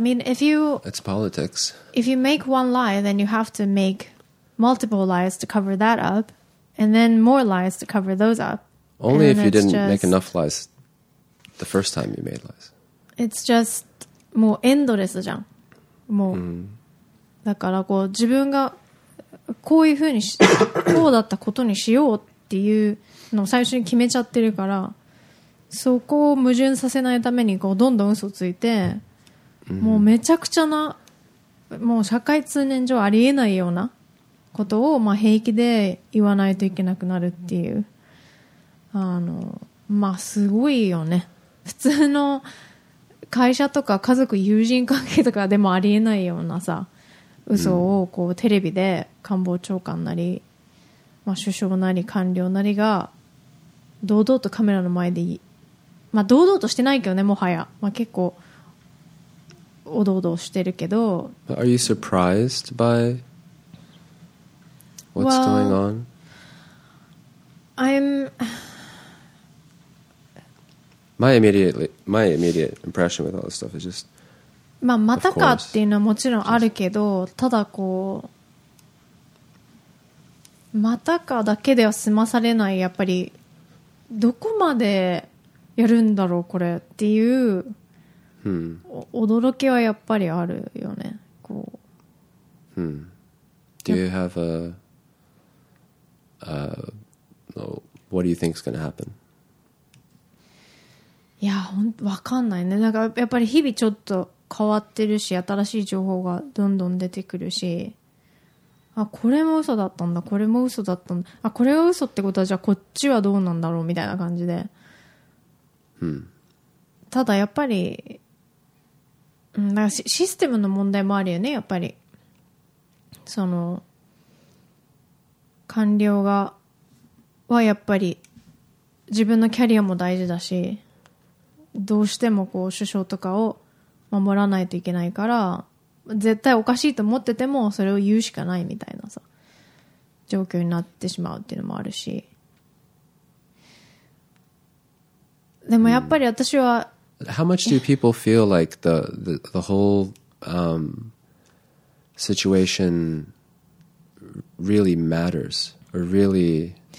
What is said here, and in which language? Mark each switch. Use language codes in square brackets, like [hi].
[en] I mean, it's politics. If you make one lie, then you have to make multiple lies to cover that up, and then more lies to cover those up. Only if you didn't make enough lies the first time you made lies. It's just more endless, jang. More. [ja] だからこう自分がこういうふうにこうだったことにしようっていうのを最初に決めちゃってるから、そこを矛盾させないためにこうどんどん嘘ついて、もうめちゃくちゃな、もう社会通念上ありえないようなことをまあ平気で言わないといけなくなるっていう、まあすごいよね。普通の会社とか家族友人関係とかでもありえないようなさ、嘘をこうテレビで官房長官なり、まあ、首相なり官僚なりが堂々とカメラの前で、まあ堂々としてないけどね、もはや、まあ、結構おどおどしてるけど。 [en] But are you surprised by what's going on? My immediate impression with all this stuff is just、 [ja] まあ、またかっていうのはもちろんあるけど、ただこうまたかだけでは済まされない、やっぱりどこまでやるんだろうこれっていう、驚きはやっぱりあるよね。こう、 [en] Do you have a what do you think is going to happen? [ja] いや、分かんないね。なんかやっぱり日々ちょっと変わってるし、新しい情報がどんどん出てくるし、あ、これも嘘だったんだ、これも嘘だったんだ、あ、これが嘘ってことはじゃあこっちはどうなんだろうみたいな感じで、ただやっぱり、なんかシステムの問題もあるよね。やっぱりその官僚がはやっぱり自分のキャリアも大事だし、どうしてもこう首相とかを守らないといけないから、絶対おかしいと思っててもそれを言うしかないみたいなさ状況になってしまうっていうのもあるし、でもやっぱり私は、 [en] How much do people feel like the whole situation really matters or really、